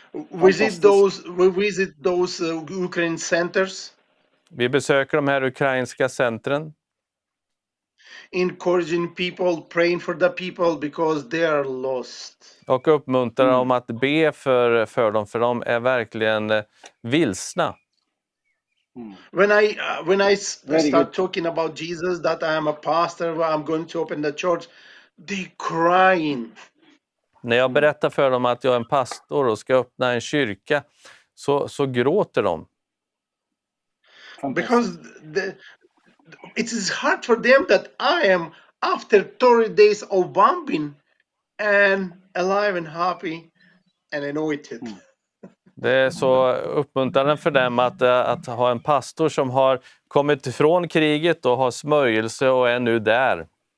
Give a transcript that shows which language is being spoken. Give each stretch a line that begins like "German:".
English: We visit those Ukraine centers.
Swedish: Vi besöker de här ukrainska centren.
English: Encouraging people, praying for the people because they are lost.
Swedish: Och uppmuntrar dem att be för dem, för de är verkligen vilsna.
English: When I start talking about Jesus, that I am a pastor, I'm going to open the church, they crying.
Swedish: När jag berättar för dem att jag är en pastor och ska öppna en kyrka, så gråter de.
English: Because it is hard for them that I am after 30 days of bombing and alive and happy and anointed.
Swedish: Det är så uppmuntrande för dem att ha en pastor som har kommit ifrån kriget och har smörjelse och är nu där.